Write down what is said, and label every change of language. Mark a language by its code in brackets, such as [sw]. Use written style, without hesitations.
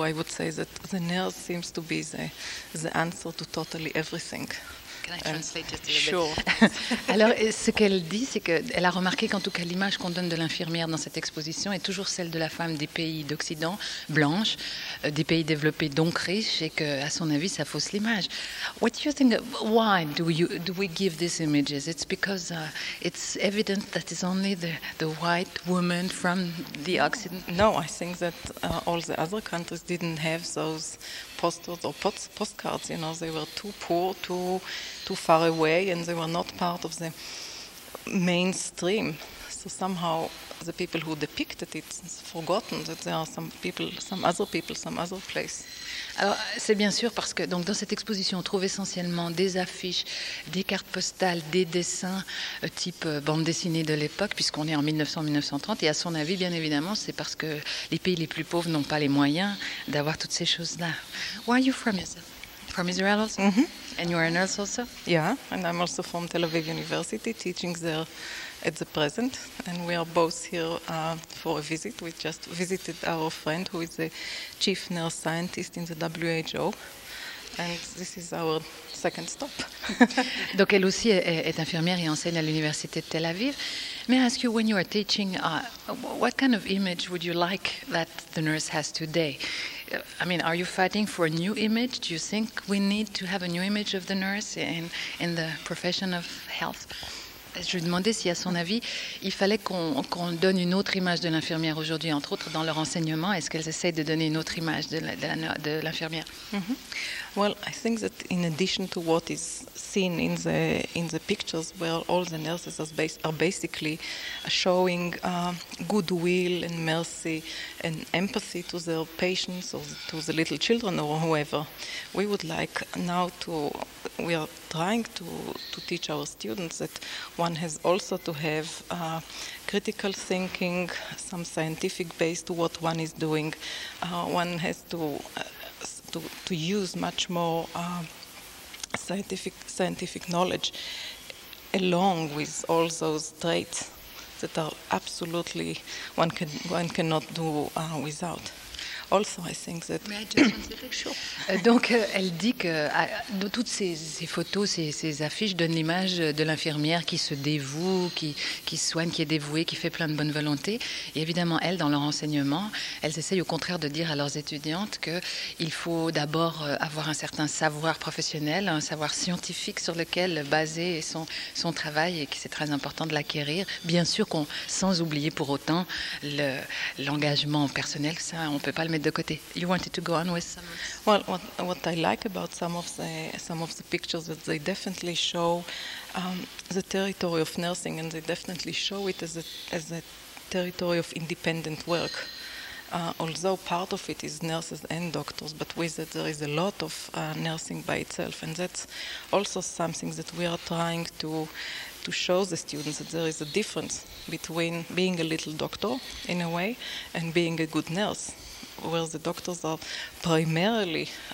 [en] I would say that the nurse seems to be the answer to totally everything. Sure. [fr] Alors, ce qu'elle dit, c'est qu'elle a remarqué qu'en tout cas, l'image qu'on donne de l'infirmière dans cette exposition est toujours celle de la femme des pays d'Occident, blanche, des pays développés donc riches, et qu'à son avis, ça fausse l'image. [en] What do you think? Why do we give these images? It's because it's evident that it's only the white woman from the Occident. No, I think that all the other countries didn't have those posters or postcards. You know, they were too poor, too far away, and they were not part of the mainstream. So somehow the people who depicted it forgotten that there are some other place. [fr] Alors, c'est bien sûr parce que donc dans cette exposition on trouve essentiellement des affiches, des cartes postales, des dessins type bande dessinée de l'époque, puisqu'on est en 1900-1930, et à son avis, bien évidemment, c'est parce que les pays les plus pauvres n'ont pas les moyens d'avoir toutes ces choses-là. [en] Where are you from, Israel? From Israel also? Mm-hmm. And you are a nurse also? Yeah, and I'm also from Tel Aviv University, teaching there at the present. And we are both here for a visit. We just visited our friend who is the chief nurse scientist in the WHO. And this is our second stop. [fr] Donc elle aussi est infirmière et enseigne à l'université de Tel Aviv. [en] May I ask you, when you are teaching, what kind of image would you like that the nurse has today? I mean, are you fighting for a new image? Do you think we need to have a new image of the nurse in the profession of health? [fr] Je lui demandais si, à son avis, il fallait qu'on donne une autre image de l'infirmière aujourd'hui, entre autres dans leur enseignement. Est-ce qu'elles essayent de donner une autre image de l'infirmière? Mm-hmm. [en] Well, I think that in addition to what is seen in the pictures, where all the nurses are basically showing goodwill and mercy and empathy to their patients or to the little children or whoever, we would like now to... We are trying to teach our students that one has also to have critical thinking, some scientific base to what one is doing. One has to use much more scientific knowledge along with all those traits that are absolutely one cannot do without. also I think that. May I just sure. [fr] Donc elle dit que toutes ces photos, ces affiches donnent l'image de l'infirmière qui se dévoue, qui soigne, qui est dévouée, qui fait plein de bonne volonté. Et évidemment, elles, dans leur enseignement, elles essayent au contraire de dire à leurs étudiantes que il faut d'abord avoir un certain savoir professionnel, un savoir scientifique sur lequel baser son travail, et que c'est très important de l'acquérir. Bien sûr qu'on, sans oublier pour autant l'engagement personnel, ça on peut pas le mettre de côté. [en] You wanted to go on with some. Well, what I like about some of the pictures that they definitely show the territory of nursing, and they definitely show it as a territory of independent work. Although part of it is nurses and doctors, but with it there is a lot of nursing by itself, and that's also something that we are trying to show the students, that there is a difference between being a little doctor in a way and being a good nurse, where the doctors are primarily